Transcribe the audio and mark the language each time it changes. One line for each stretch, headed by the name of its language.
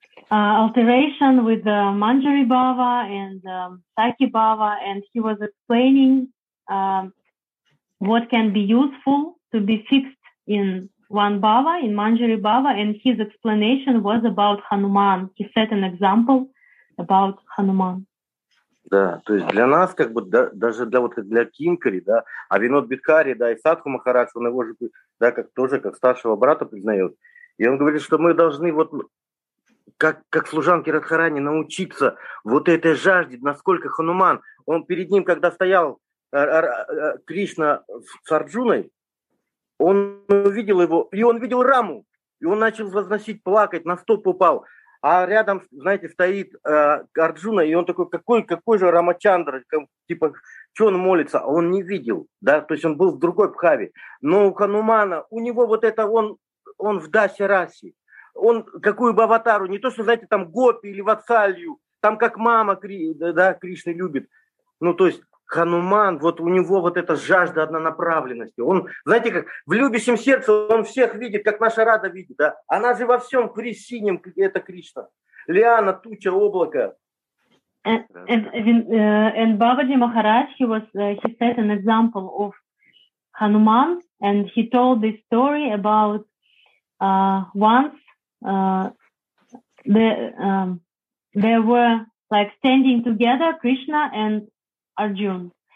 English: alteration with the Manjari Bhava and Saki Bhava, and he was explaining what can be useful to be fixed in one Bhava, in Manjari Bhava, and his explanation was about Hanuman. He set an example about Hanuman.
Russian: Да, то есть для нас, как бы, да, даже для, вот, для Кинкари, да, а Винод Бидкари, да, и Садху Махарадж, он его же, да, как тоже как старшего брата признает. И он говорит, что мы должны вот как служанки Радхарани научиться вот этой жажде, насколько Хануман, он перед ним, когда стоял Кришна с Арджуной, он увидел его, и он видел Раму, и он начал возносить, плакать, на стоп упал. А рядом, знаете, стоит Арджуна, и он такой, какой же Рамачандра, типа, что он молится? Он не видел, да, то есть он был в другой пхаве. Но у Ханумана, у него вот это, он в даси-раси. Он какую бы аватару, не то, что, знаете, там гопи или ватсалью, там как мама да, Кришны любит. Ну, то есть Хануман, вот у него вот эта жажда однонаправленности. Он, знаете, как в любящем сердце он всех видит, как наша Рада видит, да? Она же во всем при синем, это Кришна. Лиана, туча, облако.
English: And Бабаджи Махарадж, he set an example of Hanuman, and he told this story about once they were like standing together, Krishna and Arjuna.